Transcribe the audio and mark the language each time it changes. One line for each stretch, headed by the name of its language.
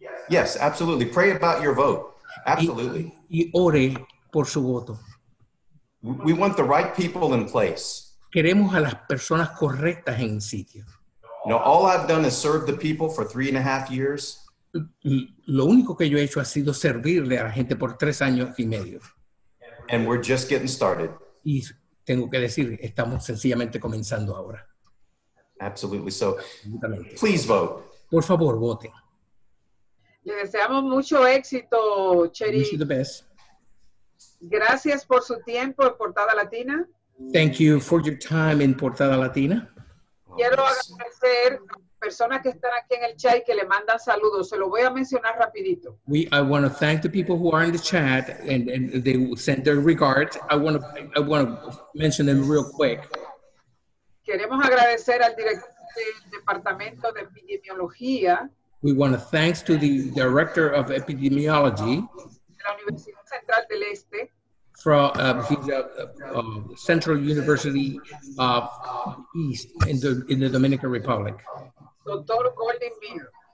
English: Yes, absolutely. Pray about your vote. Absolutely.
Spanish: Y ore por su voto.
English: We want the right people in place.
Spanish: Queremos a las personas correctas en sitio.
English: No, all I've done is serve the people for 3.5 years.
Spanish: Lo único que yo he hecho ha sido servirle a la gente por 3 años y medio.
English: And we're just getting started.
Spanish: Y tengo que decir, estamos sencillamente comenzando ahora.
English: Absolutely. So, please vote.
Spanish: Por favor, vote. Le deseamos mucho éxito, Cherry.
English: Wish you the best.
Spanish: Gracias por su tiempo en Portada Latina.
English: Thank you for your time in Portada Latina.
Spanish: Quiero agradecer a las personas que están aquí en el chat y que le mandan saludos. Se lo voy a mencionar rapidito.
English: I want to thank the people who are in the chat and they sent their regards. I want to mention them real quick.
Spanish: Queremos agradecer al director del Departamento de Epidemiología.
English: We want to thank the director of epidemiology.
Spanish: De la Universidad Central del Este.
English: From Central University of East in the Dominican Republic. Dr. Gordon Beer.